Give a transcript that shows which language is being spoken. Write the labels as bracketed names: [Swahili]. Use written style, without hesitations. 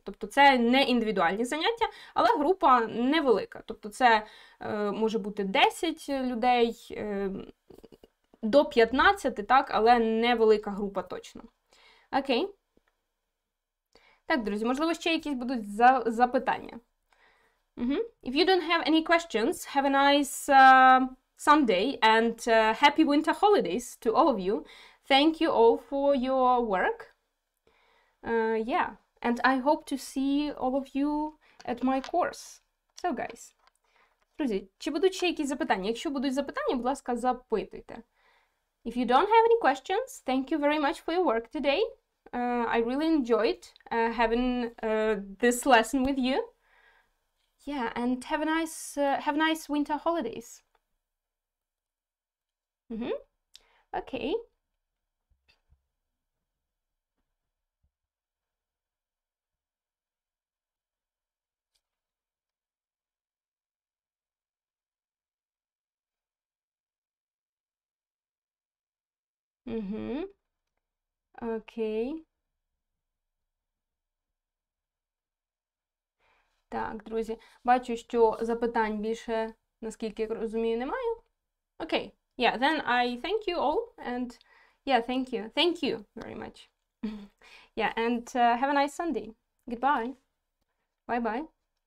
[Ukrainian] Тобто це не індивідуальні заняття, але група невелика. Тобто це може бути 10 людей, до 15, так, але невелика група точно. Окей. Так, друзі, можливо, ще якісь будуть запитання. [English] If you don't have any questions, have a nice Sunday and happy winter holidays to all of you. Thank you all for your work. Yeah, and I hope to see all of you at my course. So, guys. [Ukrainian] Друзі, чи будуть ще якісь запитання? Якщо будуть запитання, будь ласка, запитуйте. [English] If you don't have any questions, thank you very much for your work today. I really enjoyed having this lesson with you. Yeah, and have a nice winter holidays. Mm-hmm. Okay. Окей. [Ukrainian] Так, друзі, бачу, що запитань більше, наскільки я розумію, немає. Окей. [English] Yeah, then I thank you all and yeah, thank you. Thank you very much. Yeah, and have a nice Sunday. Goodbye. Bye-bye.